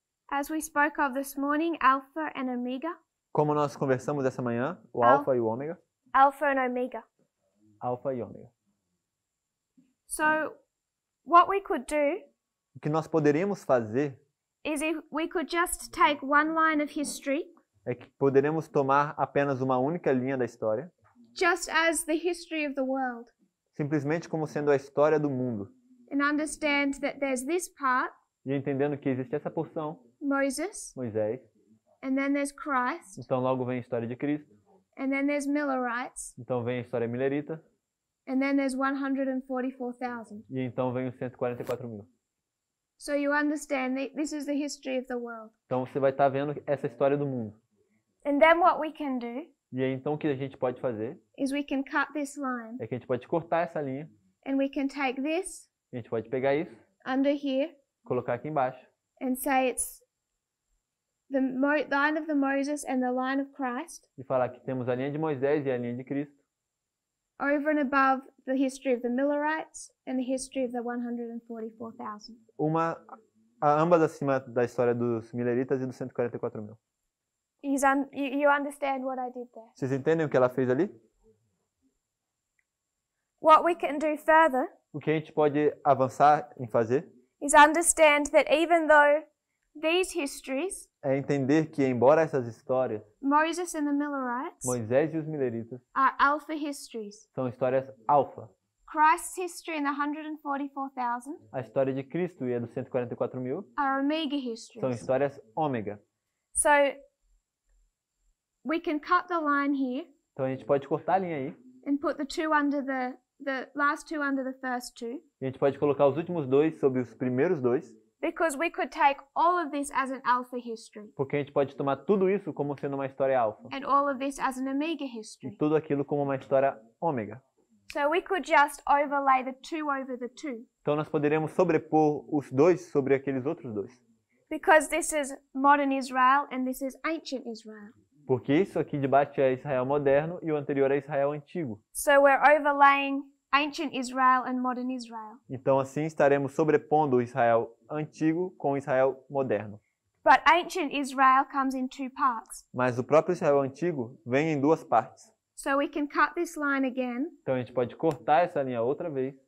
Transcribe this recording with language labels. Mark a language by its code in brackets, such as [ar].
[en] As we spoke of this morning, Alpha and Omega. [pt] Como nós conversamos essa manhã, o Alpha e o Ômega. [en] Alpha and Omega. [pt] Alpha e Ômega. [en] So, what we could do. [pt] O que nós poderíamos fazer. [en] Is if we could just take one line of history. [pt] É que poderemos tomar apenas uma única linha da história. [en] Just as the history of the world. [pt] Simplesmente como sendo a história do mundo. [en] And understand that there's this part. [pt] E entendendo que existe essa porção. [en] Moses. [pt] Moisés. [en] And then there's Christ. [pt] Então logo vem a história de Cristo. [en] And then there's Millerites. [pt] Então vem a história milerita. [en] And then there's 144,000. [pt] E então vem os 144,000. [en] So you understand that this is the history of the world. [pt] Então você vai estar vendo essa história do mundo. [en] And then what we can do? [pt] E aí, então o que a gente pode fazer? [en] Is we can cut this line. [pt] É que a gente pode cortar essa linha. [en] And we can take this. [pt] A gente pode pegar isso. [en] Under here. [pt] Colocar aqui embaixo. [en] And say it's the line of the Moses and the line of Christ. [pt] E falar que temos a linha de Moisés e a linha de Cristo. [en] Over and above the history of the Millerites and the history of the 144,000. [pt] Ambas acima da história dos Milleritas e dos 144,000. [en] You understand what I did there? [pt] Vocês entendem o que ela fez ali? [en] What we can do further, [pt] o que a gente pode avançar em fazer, [en] is understand that even though these histories, [pt] é entender que embora essas histórias, [en] Moses and the Millerites, [pt] Moisés e os Mileritas, [en] are alpha histories, [pt] são histórias alfa. [en] Christ's history and the 144,000, [pt] a história de Cristo e a dos 144,000, [en] are omega histories, [pt] são histórias ômega. [en] So we can cut the line here. [pt] Então a gente pode cortar a linha aí. [en] And put the two under the last two under the first two. [pt] A gente pode colocar os últimos dois sobre os primeiros dois. [en] Because we could take all of this as an alpha history. [pt] Porque a gente pode tomar tudo isso como sendo uma história alfa. [en] And all of this as an omega history. [pt] E tudo aquilo como uma história ômega. [en] So we could just overlay the two over the two. [pt] Então nós poderíamos sobrepor os dois sobre aqueles outros dois. [en] Because this is modern Israel and this is ancient Israel. [pt] Porque isso aqui de baixo é Israel moderno e o anterior é Israel antigo. [en] So we're overlaying ancient Israel and modern Israel. [pt] Então assim estaremos sobrepondo o Israel antigo com o Israel moderno. [en] But ancient Israel comes in two parts. [pt] Mas o próprio Israel antigo vem em duas partes. [en] So we can cut this line again. [pt] Então a gente pode cortar essa linha outra vez.